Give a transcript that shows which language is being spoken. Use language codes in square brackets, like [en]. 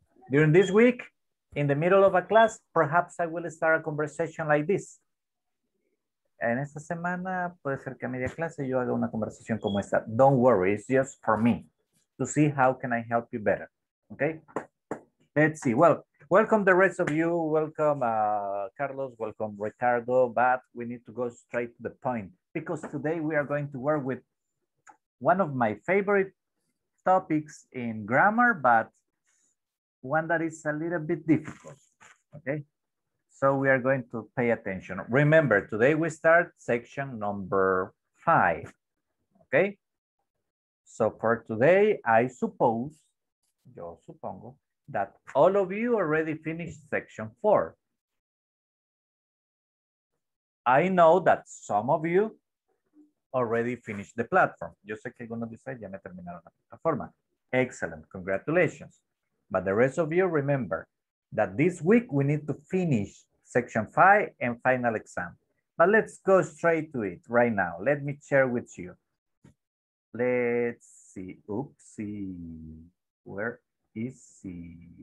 [en] During this week, in the middle of a class, perhaps I will start a conversation like this. [es] En esta semana, puede ser que a media clase yo haga una conversación como esta. [en] Don't worry, it's just for me to see how can I help you better. Okay? Let's see. Well, welcome the rest of you. Welcome, Carlos. Welcome, Ricardo. But we need to go straight to the point because today we are going to work with one of my favorite topics in grammar, but one that is a little bit difficult. Okay? So we are going to pay attention. Remember, today we start section number 5. Okay? So for today, I suppose, [es] yo supongo, [en] that all of you already finished section 4. I know that some of you already finished the platform. [es] Yo sé que algunos de ustedes ya me terminaron la plataforma. [en] Excellent, congratulations. But the rest of you remember that this week we need to finish section 5 and final exam. But let's go straight to it right now. Let me share with you. Let's see, oopsie, where is he?